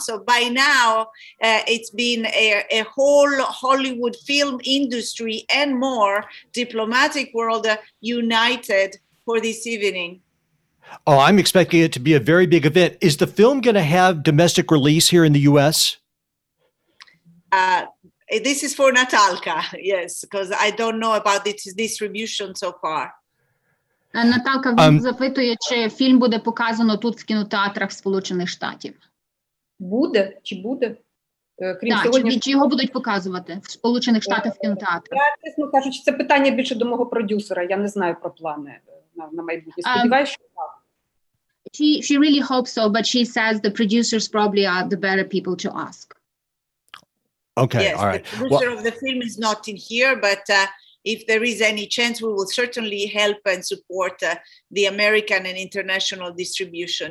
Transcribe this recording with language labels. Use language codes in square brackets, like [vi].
[en] So by now, it's been a whole Hollywood film industry and more diplomatic world united for this evening. Oh, I'm expecting it to be a very big event. Is the film going to have domestic release here in the U.S.? This is for Natalka, yes, because I don't know about its distribution so far. [uk] Natalka, він запитує, чи фільм буде показано тут в кінотеатрах Сполучених Штатів. Буде? Чи буде? Чи його будуть показувати в Сполучених Штатах в кінотеатрах? Я, чесно кажучи, це питання більше до мого продюсера. Я не знаю про плани на майбутнє. Сподіваюся, що так. [en] She really hopes so, but she says the producers probably are the better people to ask. Okay, yes, all right. The producer of the film is not in here, but if there is any chance, we will certainly help and support the American and international distribution.